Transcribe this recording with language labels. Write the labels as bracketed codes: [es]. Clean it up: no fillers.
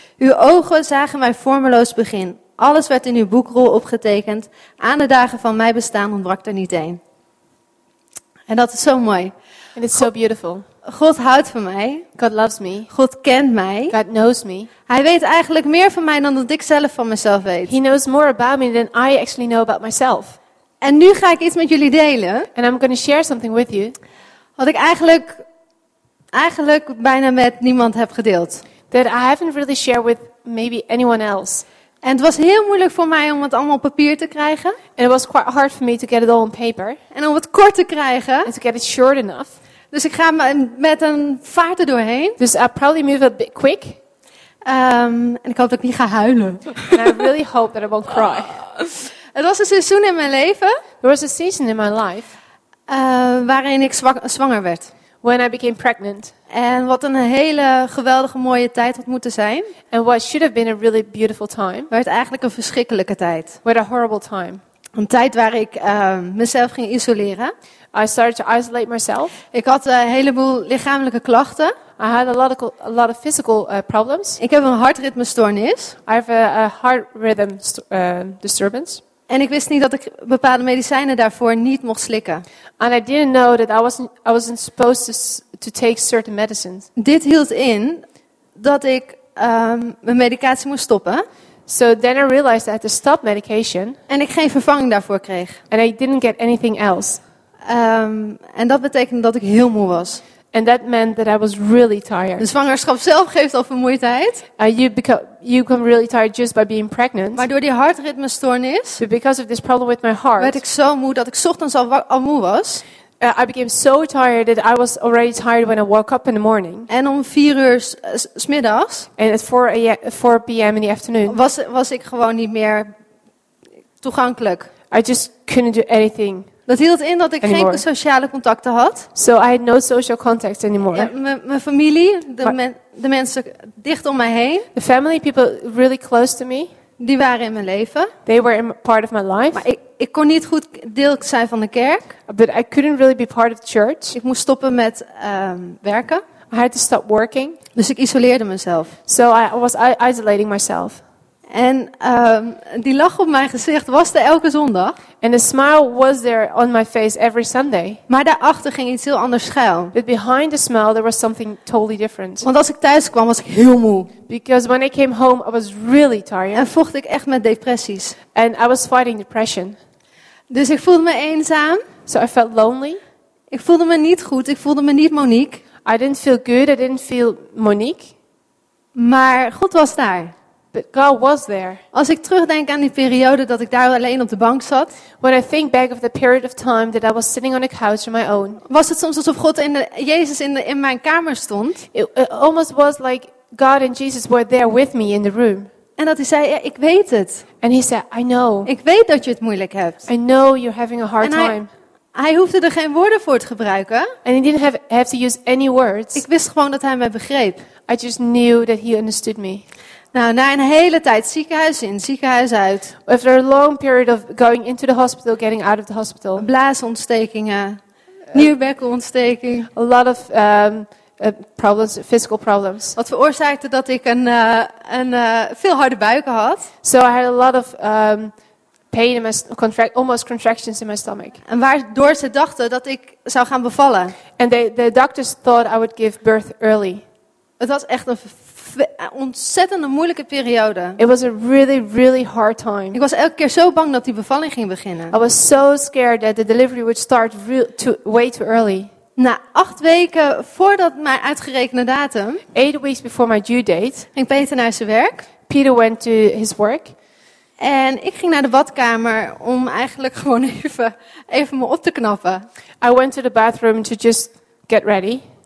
[nl] Uw ogen zagen mijn vormeloos begin. Alles werd in uw boekrol opgetekend. Aan de dagen van mijn bestaan ontbrak er niet één. En dat is zo mooi. [en] And it's so beautiful. [nl] God houdt van mij. [en] God loves me. [nl] God kent mij. [en] God knows me. [nl] Hij weet eigenlijk meer van mij dan dat ik zelf van mezelf weet. [en] He knows more about me than I actually know about myself. [nl] En nu ga ik iets met jullie delen. [en] And I'm going to share something with you. [nl] Wat ik eigenlijk bijna met niemand heb gedeeld. [en] That I haven't really shared with maybe anyone else. [nl] En het was heel moeilijk voor mij om het allemaal op papier te krijgen. [en] And it was quite hard for me to get it all on paper. [nl] En om het kort te krijgen. [en] And to get it short enough. [nl] Dus ik ga met een vaart erdoorheen. [en] Dus I'll probably move a bit quick. [nl] En ik hoop dat ik niet ga huilen. [en] And I really hope that I won't cry. [nl] Het was een seizoen in mijn leven. [en] There was a season in my life. [nl] Waarin ik zwanger werd. [en] When I became pregnant. [nl] En wat een hele geweldige mooie tijd had moeten zijn. [en] And what should have been a really beautiful time. [nl] Werd eigenlijk een verschrikkelijke tijd. [en] What a horrible time. [nl] Een tijd waar ik mezelf ging isoleren. [en] I started to isolate myself. [nl] Ik had een heleboel lichamelijke klachten. [en] I had a lot of physical problems. [nl] Ik heb een hartritmestoornis. [en] I have a heart rhythm disturbance. [nl] En ik wist niet dat ik bepaalde medicijnen daarvoor niet mocht slikken. [en] And I didn't know that I wasn't supposed to take certain medicines. [nl] Dit hield in dat ik mijn medicatie moest stoppen. [en] So then I realized I had to stop medication. [nl] En ik geen vervanging daarvoor kreeg. [en] And I didn't get anything else. [nl] En dat betekende dat ik heel moe was. [en] And that meant that I was really tired. [nl] De zwangerschap zelf geeft al vermoeidheid. [en] You become really tired just by being pregnant. [nl] Maar door die hartritmestoornis. [en] But because of this problem with my heart. [nl] Werd ik zo moe dat ik 's ochtends al moe was. [en] I became so tired that I was already tired when I woke up in the morning. [nl] En om 4 uur 's middags. [en] And at 4 p.m. in the afternoon. [nl] Was ik gewoon niet meer toegankelijk. [en] I just couldn't do anything. [nl] Dat hield in dat ik [en] anymore. [nl] Geen sociale contacten had. [en] So I had no social contacts anymore. [nl] Mijn familie, de mensen dicht om mij heen. [en] The family, people really close to me. [nl] Die waren in mijn leven. [en] They were part of my life. [nl] Maar ik kon niet goed deel zijn van de kerk. [en] But I couldn't really be part of the church. [nl] Ik moest stoppen met werken. [en] I had to stop working. [nl] Dus ik isoleerde mezelf. [en] So I was isolating myself. [nl] En die lach op mijn gezicht was er elke zondag. [en] And the smile was there on my face every Sunday. [nl] Maar daarachter ging iets heel anders schuil. [en] But behind the smile there was something totally different. [nl] Want als ik thuis kwam was ik heel moe. [en] Because when I came home I was really tired. [nl] En vocht ik echt met depressies. [en] And I was fighting depression. [nl] Dus ik voelde me eenzaam. [en] So I felt lonely. [nl] Ik voelde me niet goed. Ik voelde me niet Monique. [en] I didn't feel good. I didn't feel Monique. [nl] Maar God was daar. [en] But God was there. [nl] Als ik terugdenk aan die periode dat ik daar alleen op de bank zat, [en] when I think back of the period of time that I was sitting on a couch on my own, [nl] was het soms alsof God en Jezus in mijn kamer stond. [en] It almost was like God and Jesus were there with me in the room. [nl] En dat hij zei, ja, ik weet het. [en] And he said, I know. [nl] Ik weet dat je het moeilijk hebt. [en] I know you're having a hard time. [nl] Hij hoefde er geen woorden voor te gebruiken. [en] And he didn't have to use any words. [nl] Ik wist gewoon dat hij mij begreep. [en] I just knew that he understood me. [nl] Nou, na een hele tijd ziekenhuis in, ziekenhuis uit. [en] After a long period of going into the hospital, getting out of the hospital. [nl] Blaasontstekingen, nierbekkenontsteking. [en] A lot of problems, physical problems. [nl] Wat veroorzaakte dat ik een veel harde buiken had. [en] So I had a lot of pain in my almost contractions in my stomach. [nl] En waardoor ze dachten dat ik zou gaan bevallen. [en] And the doctors thought I would give birth early. [nl] Het was echt een ontzettende moeilijke periode. [en] It was a really, really hard time. [nl] Ik was elke keer zo bang dat die bevalling ging beginnen. [en] I was so scared that the delivery would start way too early. [nl] Na 8 weken voordat mijn uitgerekende datum. [en] 8 weeks before my due date. [nl] Ging Peter naar zijn werk. [en] Peter went to his work. [nl] En ik ging naar de badkamer om eigenlijk gewoon even me op te knappen. [en] I went to the bathroom to just get ready.